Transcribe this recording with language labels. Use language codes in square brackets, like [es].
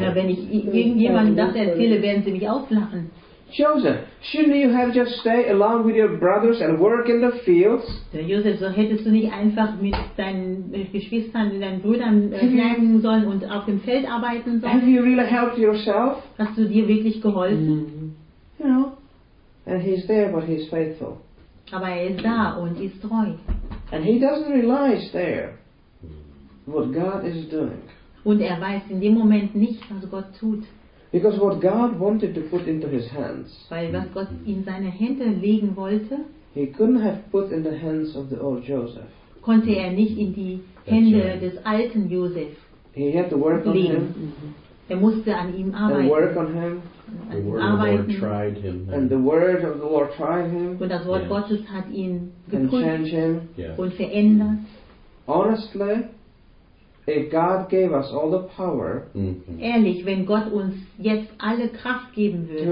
[de] Ja, wenn ich irgendjemandem das erzähle, werden sie mich auslachen. [en] Joseph, shouldn't you have just stayed along with your brothers and work in the fields? [de] Der Joseph, so hättest du nicht einfach mit deinen Geschwistern und deinen Brüdern bleiben sollen und auf dem Feld arbeiten sollen? [en] Have you really helped yourself? [de] Hast du dir wirklich geholfen? Mm-hmm. [en] And he's there, but he's faithful. [de] Aber er ist da und ist treu. [en] And he doesn't realize there what God is doing. [de] Und er weiß in dem Moment nicht, was Gott tut. [en] Because what God wanted to put into his hands, [de] weil was Gott in seine Hände legen wollte, [en] he couldn't have put in the hands of the old Joseph. [de] Konnte er nicht in die Hände right. des alten Josef [en] he had to work [de] legen. [en] On him. [de] Mm-hmm. Er musste an ihm arbeiten. [en] And work on him. The word of the Lord tried him. And the word of the Lord tried him. [de] Und das Wort Gottes hat ihn geprüft und verändert. [en] Honestly, if God gave us all the power, mm-hmm. [de] ehrlich, wenn Gott uns jetzt alle Kraft geben würde,